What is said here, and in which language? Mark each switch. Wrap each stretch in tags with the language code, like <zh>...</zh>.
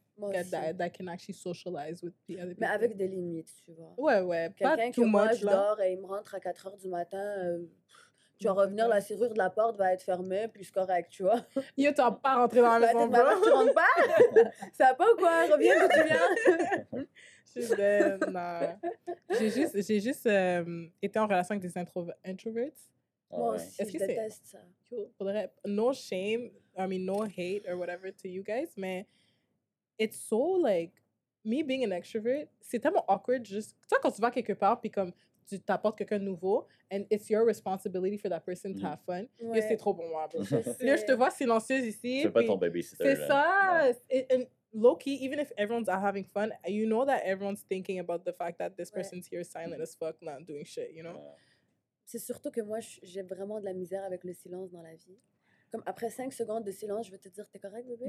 <en>That can actually socialize with the other people.</en> <fr>Mais avec des limites, tu vois. Ouais, ouais. Quelqu'un pas</fr> <en>too much,</en> <fr>là. Quelqu'un qui, moi, je dors et il me rentre à 4 heures du matin, tu vas revenir, la serrure de la porte va être fermée, puis c'est correct, tu vois. Yo, tu vas pas rentrer dans la maison, bro. Tu rentres pas? Ça va pas ou quoi? Reviens d'où tu viens. J'ai juste été en relation avec des introverts. Moi aussi, je déteste ça.</fr> <en>Faudrait... No shame, I mean, no hate or whatever to you guys, mais... It's so, like, me being an extrovert,</en> <fr>c'est tellement awkward, juste... Tu vois, quand tu vas quelque part, puis comme, tu t'apportes quelqu'un de nouveau,</fr> <en>and it's your responsibility for that person to have fun,</en> <fr>ouais. Et c'est trop bon, moi. Là, je te vois silencieuse ici. C'est pas ton babysitter, c'est ça!</fr> <en>And low-key, even if everyone's out having fun, you know that everyone's thinking about the fact that this person's here silent as fuck, not doing shit, you know?</en> <fr>C'est surtout que moi, j'ai vraiment de la misère avec le silence dans la vie. Comme, après 5 secondes de silence, je veux te dire, t'es correct, bébé?</fr>